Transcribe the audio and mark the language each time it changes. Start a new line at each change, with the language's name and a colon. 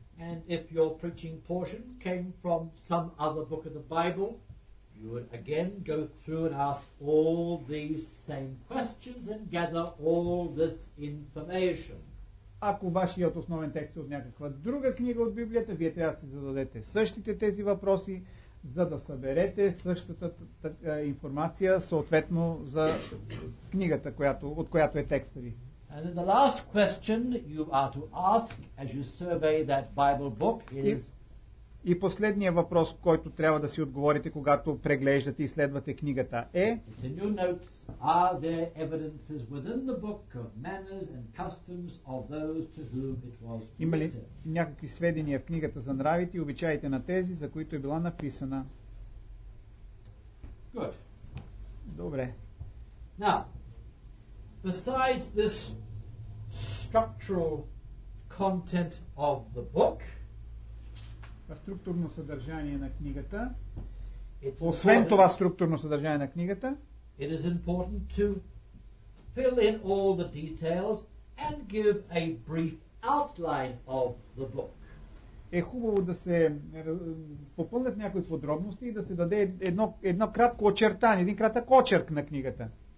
English: And if your preaching portion came from some other book of the Bible, you would again go through and ask all these same questions and gather all this information.
Bulgarian: Ако вашият основен текст е от някаква друга книга от Библията, вие трябва да си зададете същите тези въпроси, за да съберете същата информация, съответно за книгата, която, от която е текста ви.
English: And then the last question you are to ask as you survey that Bible book is
Bulgarian: И последният въпрос, който трябва да си отговорите, когато преглеждате и следвате книгата, е
English: It's in your notes. Are there evidences within the book of manners and customs of those to whom it was written?
Bulgarian: Има ли някакви сведения в книгата за нравите и обичаите на тези, за които е била написана?
English: Good.
Bulgarian: Добре.
English: Now, besides this structural content of the book,
Bulgarian: структурно съдържание на книгата. Освен това структурно съдържание на книгата,
English: it is important to fill in all the details and give a brief outline of the book.
Bulgarian: Е хубаво да се попълнят някои подробности и да се даде едно кратко очертание, един кратък очерк на книгата.